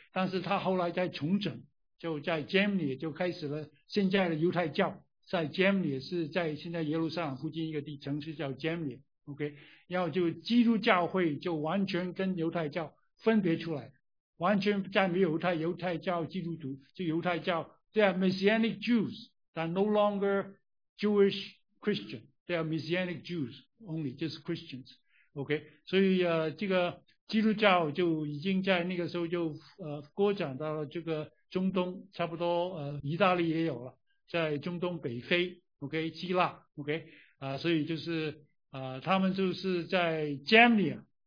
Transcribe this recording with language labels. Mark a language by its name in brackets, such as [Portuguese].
[Chinese] 但是他后来在重整，就在 Germany 就开始了现在的犹太教，在 Germany 是在现在耶路撒冷附近一个地城市叫 Germany，OK、okay?。然后就基督教会就完全跟犹太教分别出来，完全再没有犹太教基督徒，就犹太教。 [English] They are Messianic Jews, they are no longer Jewish Christian. They are Messianic Jews only, just Christians. [Chinese] OK, 所以这个基督教就已经在那个时候就扩展到了这个中东，差不多意大利也有了，在中东北非 ，OK, 希腊 ，OK, 所以就是他们就是在 Jamnia。